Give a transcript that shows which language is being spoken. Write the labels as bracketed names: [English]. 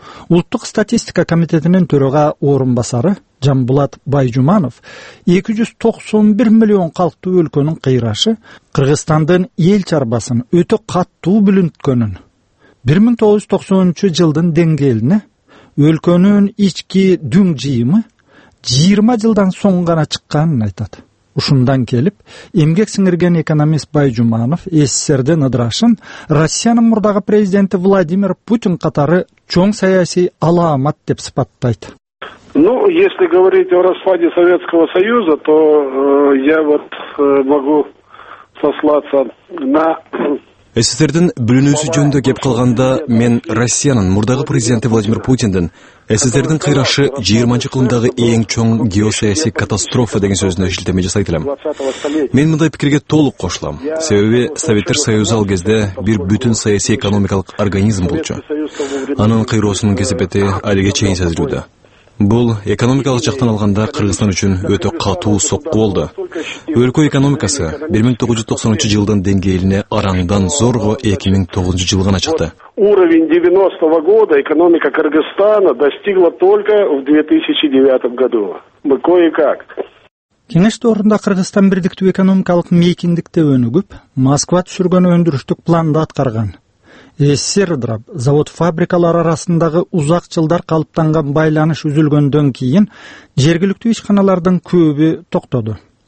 [Kyrgyz] Улуттук статистика комитетинин төрага орун басары Жамбулат Байжуманов 291 миллион калктуу өлкөнүн кыйрашы Кыргызстандын эл чарбасын өтө каттуу бүлүнткөнүн, 1993 жылдын деңгээлине өлкөнүн ички дүң жыйымы 20 жылдан соң гана чыкканын айтат. Ушундан келип эмгек сиңирген экономист Байжуманов СССРдин ыдырашын Россиянын мурдагы президенти Владимир Путин катары чоң саясий алаамат деп сыпаттайт. [Russian] Ну, если говорить о распаде Советского Союза, то я вот могу сослаться на [Kyrgyz] СССРдин бүлүнүүсү жөнүндө кеп калганда, мен Россиянын мурдагы президенти Владимир Путиндин СССРдин кыйрашы 20-нчы кылымдагы эң чоң геосаясий катастрофа деген сөзүнө шилтеме жасайт элем. Мен мындай пикирге толук кошулам. Себеби Советтер Союзу ал кезде бир бүтүн саясий экономикалык организм болчу. Анын кыйроосунун кесепети алиге чейин сезилүүдө. Бул экономикалык жактан алганда Кыргызстан үчүн өтө катуу сокку болду. Өлкө экономикасы 1993 жылдын деңгээлине араңдан зорго 2009 жылы гана чыкты. [Russian] Уровень 90-го года экономика Кыргызстана достигла только в 2009 году. Мы кое-как. [Kyrgyz] Кеңеш доорунда Кыргызстан бирдиктүү экономикалык мейкиндикте өнүгүп, Москва түшүргөн өндүрүштүк планды аткарган. СССР ыдырап, завод фабрикалар арасындагы узак жылдар калыптанган байланыш үзүлгөндөн кийин жергиликтүү ишканалардын көбү токтоду.